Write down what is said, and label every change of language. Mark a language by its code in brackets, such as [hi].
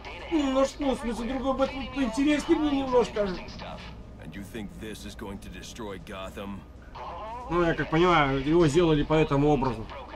[ru] Ну что, в смысле, другой Бэтмен поинтереснее был немножко. [en] And you think this is going to destroy Gotham? [ru] Ну, я как понимаю, его сделали по этому образу.